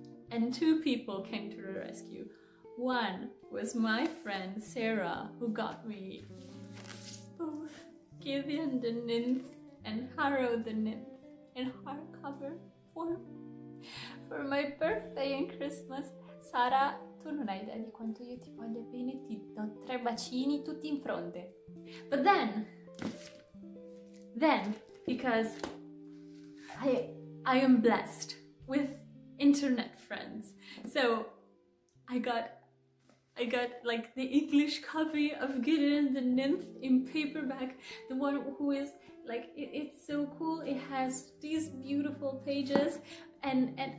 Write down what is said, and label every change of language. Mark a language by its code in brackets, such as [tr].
[en] And two people came to the rescue. One was my friend Sarah, who got me Gideon the Nymph and Harrow the Nymph in hardcover form for my birthday and Christmas. [it] Sara, tu non hai idea di quanto io ti voglio bene, ti do tre bacini tutti in fronte. [en] But then, because I am blessed with internet friends, so I got like the English copy of Gideon the Nymph in paperback, the one who is like, it's so cool, it has these beautiful pages, and